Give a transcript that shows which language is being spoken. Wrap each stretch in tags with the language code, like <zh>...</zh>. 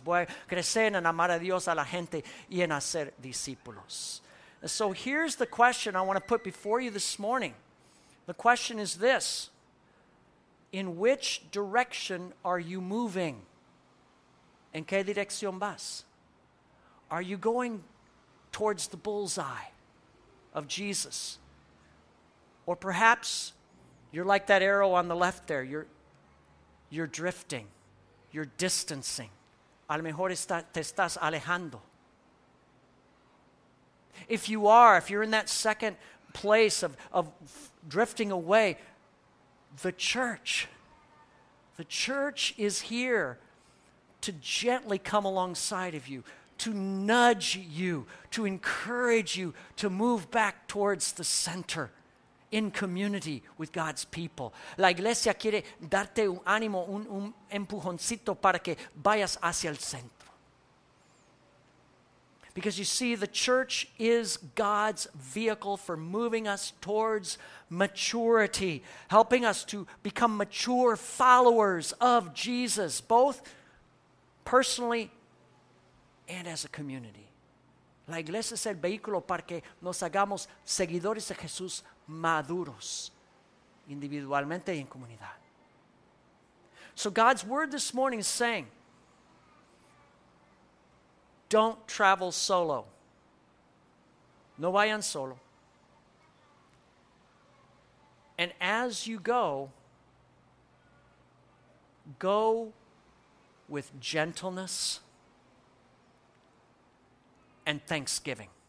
<es>Voy a crecer en amar a Dios, a la gente, y en hacer discípulos.</es> <en>So here's the question I want to put before you this morning. The question is this. In which direction are you moving?</en> <es>¿En qué dirección vas?</es> <en>Are you going towards the bullseye of Jesus? Or perhaps you're like that arrow on the left there. You're drifting. You're distancing.</en> <es>A lo mejor te estás alejando.</es> <en>If you are, if you're in that second place of drifting away, the church is here to gently come alongside of you, to nudge you, to encourage you to move back towards the center in community with God's people.</en> <es>La iglesia quiere darte un ánimo, un empujoncito para que vayas hacia el centro.</es> <en>Because you see, the church is God's vehicle for moving us towards maturity, helping us to become mature followers of Jesus, both personally and as a community.</en> <es>La iglesia es el vehículo para que nos hagamos seguidores de Jesús maduros, individualmente y en comunidad.</es> <en>So God's word this morning is saying, don't travel solo.</en> <es>No vayan solo.</es> <en>And as you go, go with gentleness and thanksgiving.</en>